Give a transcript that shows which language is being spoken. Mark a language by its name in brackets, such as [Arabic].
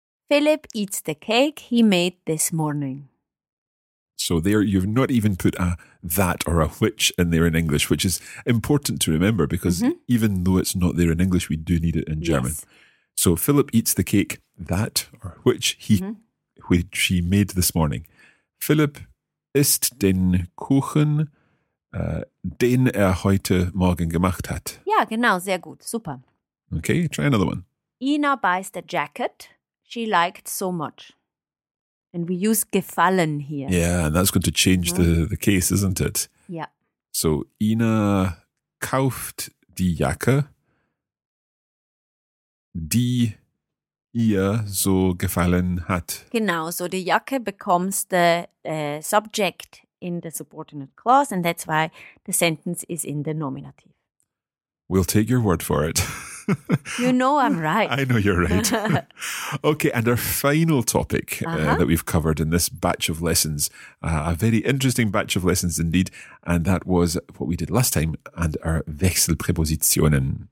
[English] Philip eats the cake he made this morning. So there you've not even put a that or a which in there in English, which is important to remember because mm-hmm. even though it's not there in English, we do need it in German. Yes. So Philip eats the cake that or which he mm-hmm. which he made this morning. [German] Philip isst den Kuchen, den heute Morgen gemacht hat. [English] Yeah, [German] genau, sehr gut, super. [English] Okay, try another one. Ina buys the jacket she liked so much. And we use gefallen here. Yeah, and that's going to change the case, isn't it? Yeah. [German] So Ina kauft die Jacke, die ihr so gefallen hat. [English] Genau, so die Jacke becomes the subject in the subordinate clause, and that's why the sentence is in the nominative. We'll take your word for it. You know I'm right. I know you're right. Okay, and our final topic that we've covered in this batch of lessons, a very interesting batch of lessons indeed, and that was what we did last time and our Wechselpräpositionen.